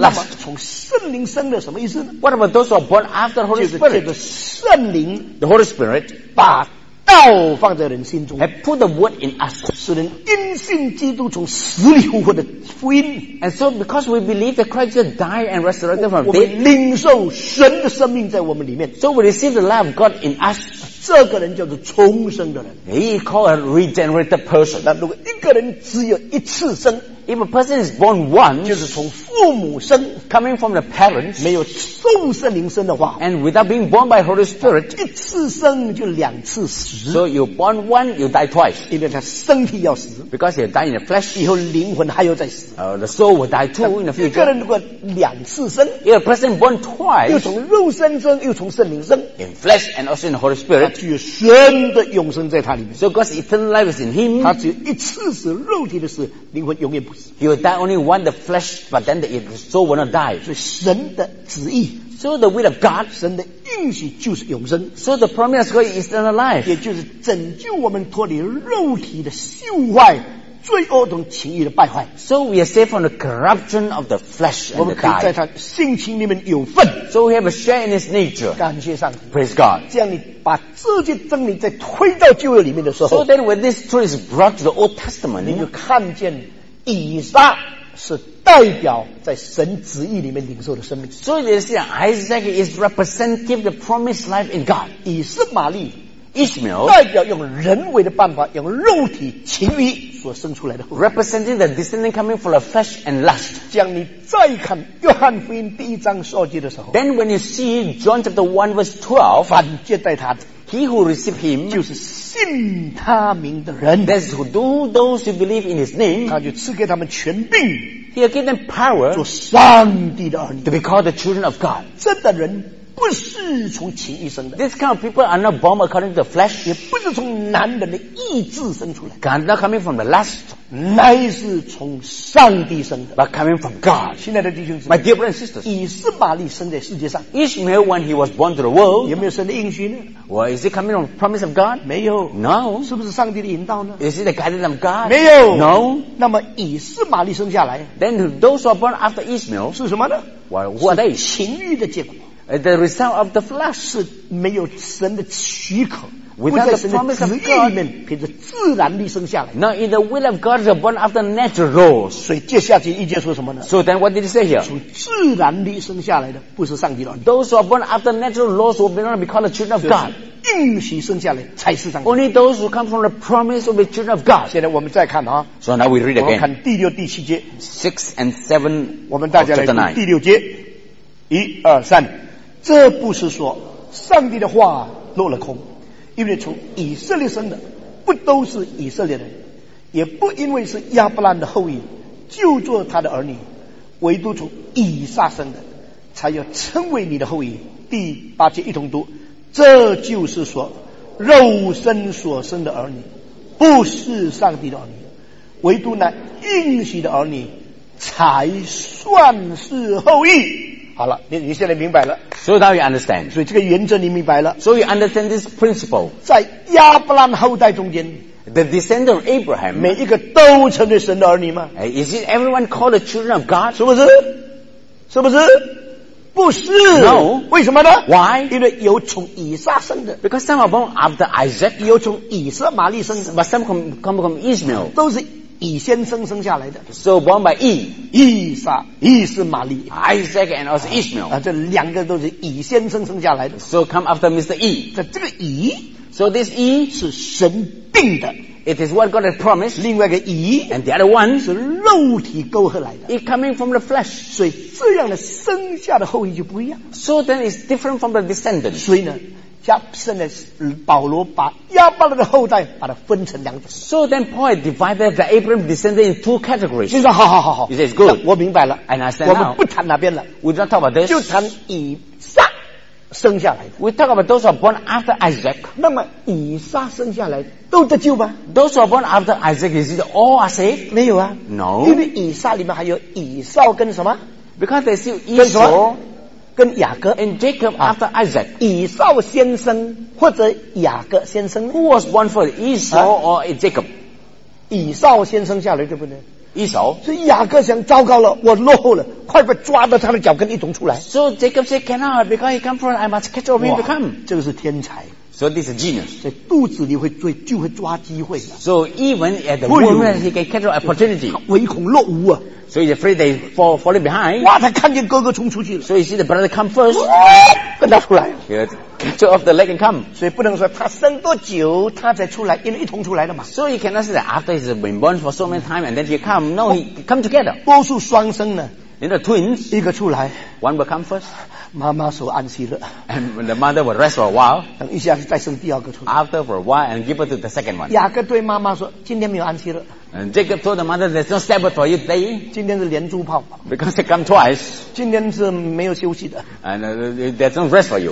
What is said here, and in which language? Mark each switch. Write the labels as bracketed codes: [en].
[zh] 那么从圣灵生的什么意思呢 [en] ？What about those who are born after the Holy Spirit? [zh] 就是圣灵。 [en] The Holy Spirit [zh] 把道放在人心中。 [en] Have put the word in us. [zh] 使人因信基督从死里复活的福音。 [en] And so because we believe that Christ died and resurrected from death, [zh] 我们领受神的生命在我们里面。 [en] So we receive the life of God in us. [zh] 这个人叫做重生的人。 [en] He called a regenerated person. [zh] 那如果一个人只有一次生 [en] if a person is born once, [zh] 就是从父母生 [en] coming from the parents, [zh] 没有受圣灵生的话 [en] and without being born by Holy Spirit, [zh] 一次生就两次死 [en] so you born once, you die twice, [zh] 因为他身体要死 [en] because you die in the flesh, [zh] 以后灵魂还要再死 [en] the soul will die too in the future, [zh] 一个人如果两次生 [en] if a person is born twice, [zh] 又从肉身生又从圣灵生 [en] in flesh and also in the Holy Spirit, [zh] 他具有神的永生在他里面 [en] so God's eternal life is in him, [zh] 他只有一次死肉体的死灵魂永远不死 [en] He will die only one the flesh but then the soul will not die [zh] 所以神的旨意 [en] So the will of God [zh] 神的应许就是永生 [en] So the promise of God is eternal life [zh] 也就是拯救我们脱离肉体的朽坏罪恶等情欲的败坏 [en] So we are saved from the corruption of the flesh and the [zh] die 我们可以在他性情里面有份 [en] So we have a share in his nature [zh] 感谢上帝 [en] Praise God [zh] 这样你把这些真理在推到旧约里面的时候 [en] So then when this truth is brought to the Old Testament [zh] 你就看见以撒是代表在神旨意里面领受的生命 [en] So you see Isaac is representative of the promised life in God [zh] 以斯玛利 [en] Ishmael [zh] 代表用人为的办法用肉体情欲所生出来的 [en] representing the descendant coming from the flesh and lust [zh] 将你再看约翰福音第一章十二节的时候 [en] then when you see John chapter 1 verse 12 [zh] 凡接待他的 [en] he who receive him [zh] 就是信他名的人 [en] that's who do those who believe in his name [zh] 他就赐给他们权柄 [en] he will give them power [zh] 做上帝的儿女 [en] to be called the children of God [zh] 真的人不是从情欲生的 [en] This kind of people are not born according to the flesh [zh] 也不是从男人的意志生出来 [en] God not coming from the lust [zh] 乃是从上帝生的 [en] But coming from God [zh] 亲爱的弟兄姊妹 [en] My dear brothers and sisters [zh] 以斯玛利生在世界上 [en] Ishmael when he was born to the world [zh] 有没有神的应许呢 [en] Well is it coming from the promise of God [zh] 没有 [en] No [zh] 是不是上帝的引导呢 [en] Is it the guidance of God [zh] 没有 [en] No [zh] 那么以斯玛利生下来 [en] Then those who are born after Ishmael [zh] 是什么呢 [en] Well, who are they [zh] 是情欲的结果 [en] The result of the flesh [zh] 是没有神的许可 [en] without the promise of God [zh] 里面凭着自然力生下来 [en] Now in the will of God you're born after natural laws [zh] 所以接下去一节说什么呢 [en] So then what did he say here [zh] 从自然力生下来的不是上帝的 [en] Those who are born after natural laws will not be called the children of God [zh] 应许生下来才是上帝 [en] Only those who come from the promise will be children of God [zh] 现在我们再看、啊、 [en] So now we read again [zh] 我们看第六第七节 [en] 6 and 7 [zh] 我们大家来读第六节一二三这不是说上帝的话落了空因为从以色列生的不都是以色列人也不因为是亚伯兰的后裔就做他的儿女唯独从以撒生的才要称为你的后裔第八节一同读这就是说肉身所生的儿女不是上帝的儿女唯独那应许的儿女才算是后裔好了 你现在明白了 [en] So now you understand [zh] 所以这个原则你明白了 [en] So you understand this principle [zh] 在亚伯兰后代中间 [en] The descendant of Abraham [zh] 每一个都成为神的儿女吗 [en] Is it everyone called the children of God [zh] 是不是是不是不是 [en] No [zh] 为什么呢 [en] Why [zh] 因为有从以撒生的 [en] Because some are born after Isaac [zh] 有从以撒玛利生的 [en] But some come from Ishmael [zh] 都是以先生生下来的 [en] So born by E [zh] 以撒以斯玛利 [en] Isaac and also Ishmael [zh] 这两个都是以先生生下来的 [en] So come after Mr. E [zh] 这个以 [en] So this E [zh] 是神定的 [en] It is what God has promised [zh] 另外一个以 [en] And the other one [zh] 是肉体沟合来的 [en] It coming from the flesh [zh] 所以这样的生下的后裔就不一样 [en] So then it's different from the descendants [zh] 所以呢现在保罗把亚伯拉的后代把它分成两种 [en] So then Paul divided the Abraham descendants in two categories [zh] 你说好好好好 [en] He says good [zh] 我明白了 [en] And I said [zh] 我们不谈哪边了 [en] We don't talk about this [zh] 就谈以撒生下来的 [en] We talk about those who are born after Isaac [zh] 那么以撒生下来都得救吗 [en] Those who are born after Isaac is it all are saved [zh] 没有啊 [en] No [zh] 因为以撒里面还有以扫跟什么 [en] Because there's still Esau [zh] 跟雅各 [en] and Jacob after Isaac [zh] 以扫先生或者雅各先生 [en] who was born for Esau or Jacob [zh] 以扫先生下来对不对以扫所以雅各想糟糕了我落后了快被抓到他的脚跟一同出来 [en] so Jacob said cannot because he come from I must catch up him to come [zh] 这个是天才 [en] so this is genius [zh] 在肚子里会追就会抓机会 [en] so even at the womb he can catch up opportunity [zh] 唯恐落伍啊 [en] So he's afraid they fall behind. [zh] 哇，他看见哥哥冲出去了。 [en] So he see the brother come first. [zh] 跟他出来。 [en] He catch shelter of the lake and come. [zh] 所以不能说他生多久他才出来，因为一同出来的嘛。 [en] So you cannot say that after he's been born for so many time and then he come. No, he come together. [zh] 多数双生呢。 [en] In the twins, [zh] 一个出来 [en] one will come first. [zh] 妈妈说安息了 [en] and when the mother will rest for a while. [zh] 等一下再生第二个出来 [en] after for a while and give it to the second one. [zh] 雅各对妈妈说今天没有安息了 [en] and Jacob told the mother there's no Sabbath for you today. [zh] 今天是连珠炮 [en] because it come twice. [zh] 今天是没有休息的 [en] and there's no rest for you.